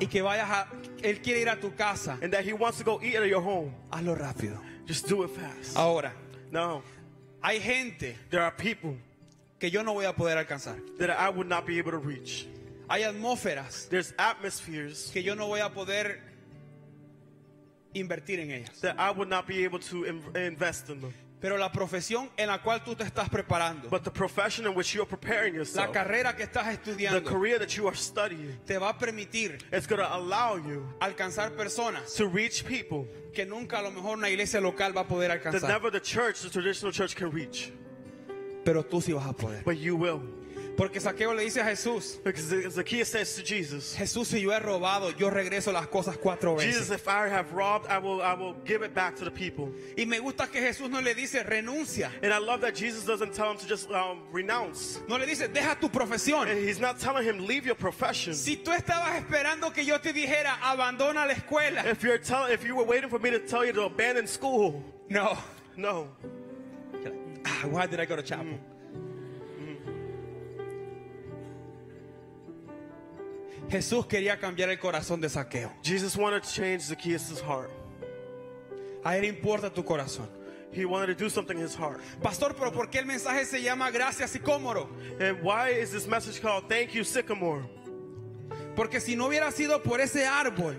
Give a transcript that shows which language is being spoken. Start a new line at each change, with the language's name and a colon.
Spanish: Y que vayas a, él quiere ir a tu casa.
English: And that he wants to go eat at your home.
Spanish: Hazlo rápido.
English: Just do it fast.
Spanish: Ahora.
English: Now.
Spanish: Hay gente.
English: There are people.
Spanish: Que yo no voy a poder alcanzar.
English: That I would not be able to reach.
Spanish: Hay atmósferas.
English: There's atmospheres.
Spanish: Que yo no voy a poder invertir en ellas.
English: That I would not be able to invest in them.
Spanish: Pero la profesión en la cual tú te estás preparando,
English: but the profession in which you are preparing yourself,
Spanish: la carrera que estás estudiando,
English: the career that you are studying,
Spanish: te va a permitir,
English: it's going to allow you,
Spanish: alcanzar personas,
English: to reach people,
Spanish: que nunca a lo mejor una iglesia local va a poder alcanzar,
English: that never the church, the traditional church can reach,
Spanish: pero tú sí vas a poder,
English: but you will.
Spanish: Porque Zaqueo le dice a Jesús,
English: Zacchaeus says to Jesus,
Spanish: Jesús, si yo he robado, yo regreso las cosas cuatro veces.
English: Jesus, if I have robbed, I will give it back to the people.
Spanish: Y me gusta que Jesús no le dice renuncia.
English: And I love that Jesus doesn't tell him to just renounce.
Spanish: No le dice deja tu profesión.
English: And he's not telling him leave your profession.
Spanish: Si tú estabas esperando que yo te dijera abandona la escuela.
English: If you were waiting for me to tell you to abandon school.
Spanish: No.
English: No. Why did I go to chapel?
Spanish: Jesús quería cambiar el corazón de Zaqueo.
English: Jesus wanted to change Zacchaeus' heart.
Spanish: A él importa tu corazón.
English: He wanted to do something in his heart.
Spanish: Pastor, pero ¿por qué el mensaje se llama Gracias Sicómoro?
English: And why is this message called Thank You Sycamore?
Spanish: Porque si no hubiera sido por ese árbol,